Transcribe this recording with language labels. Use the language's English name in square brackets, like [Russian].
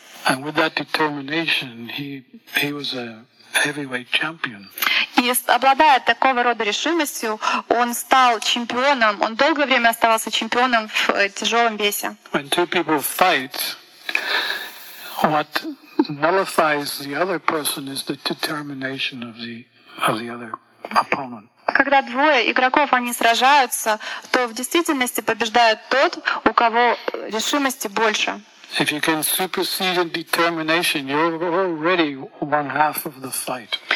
[English] And with that determination, he was a heavyweight champion. [Russian] И обладая такого рода решимостью, он стал чемпионом. Он долгое время оставался чемпионом в тяжелом весе. [English] When two people fight, what nullifies the other person is the determination of the other opponent. [Russian] Когда двое игроков они сражаются, то в действительности побеждает тот, у кого решимости больше. [English] If you can supersede in determination, you're already one half of the fight.